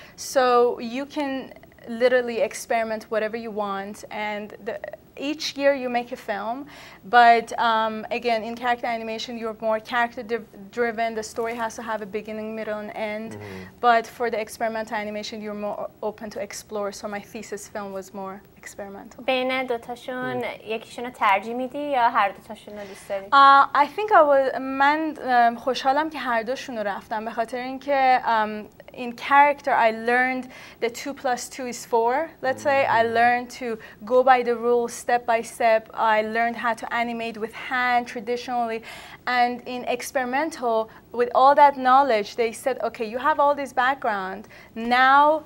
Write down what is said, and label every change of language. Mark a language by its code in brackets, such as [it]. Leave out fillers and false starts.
[en] So you can literally experiment whatever you want and each year you make a film, but again, in character animation, you're more character driven. The story has to have a beginning, middle, and end. But for the experimental animation, you're more open to explore. So my thesis film was more experimental. [fa] بین دو تاشون یکیشون رو ترجیح میدی یا هر دو تاشون رو دوست داری؟ [en] I think I was [fa] من خوشحالم که هر دوشون رو رفتم به خاطر اینکه [en] in character I learned that 2 + 2 = 4 let's say I learned to go by the rules step by step I learned how to animate with hand traditionally and in experimental with all that knowledge they said okay you have all this background now